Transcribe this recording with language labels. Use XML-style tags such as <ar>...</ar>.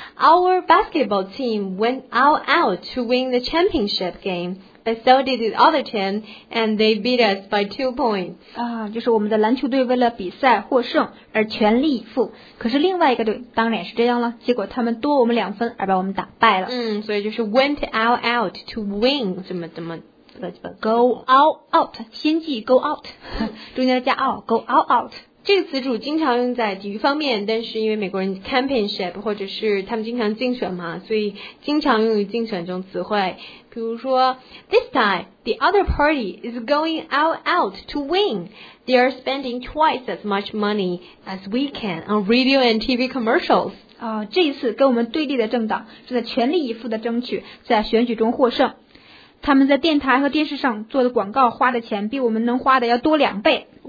<en>Our basketball team went all out to win the championship game, but so did the other team, and they beat us by 2 points.</en> <zh>就是我们的篮球队为了比赛获胜而全力以赴，可是另外一个队当然也是这样了，结果他们多我们两分而把我们打败了。所以就是</zh> <en>went all out to win</en> <zh>怎么怎么。</zh> <en>Go all out,</en> <zh>先记</zh> <en>go out,</en> <zh>中间加</zh> <en>out, go all out.</en> <zh>这个词组经常用在体育方面，但是因为美国人 championship 或者是他们经常竞选嘛，所以经常用于竞选中词汇。比如说</zh> <en>This time, the other party is going all out to win. They are spending twice as much money as we can on radio and TV commercials.</en> <zh>这一次跟我们对立的政党正在全力以赴的争取在选举中获胜，他们在电台和电视上做的广告花的钱比我们能花的要多两倍。</zh>